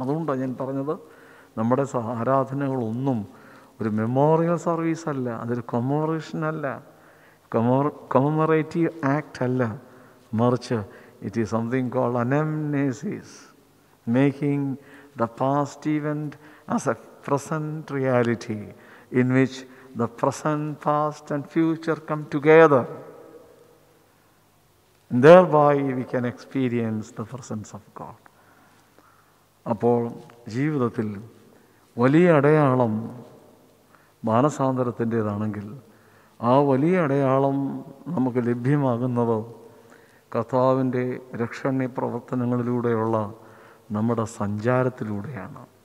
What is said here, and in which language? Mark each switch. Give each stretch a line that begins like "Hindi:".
Malayalam: അതുകൊണ്ടാണ് ഞാൻ പറഞ്ഞത് നമ്മുടെ ആരാധനകളൊന്നും ഒരു മെമ്മോറിയൽ സർവീസ് അല്ല, അതൊരു കൊമോറേഷനല്ല, കൊമറേറ്റീവ് ആക്ട് അല്ല. മറിച്ച്
English: It is something called anamnesis, making the past event as a present reality in which the present, past and future come together. Thereby we can experience the presence of God.
Malayalam: അപ്പോൾ ജീവിതത്തിൽ വലിയ അടയാളം മാനസാന്തരത്തിൻ്റേതാണെങ്കിൽ ആ വലിയ അടയാളം നമുക്ക് ലഭ്യമാകുന്നത് കർത്താവിൻ്റെ രക്ഷണീയ പ്രവർത്തനങ്ങളിലൂടെയുള്ള നമ്മുടെ സഞ്ചാരത്തിലൂടെയാണ്.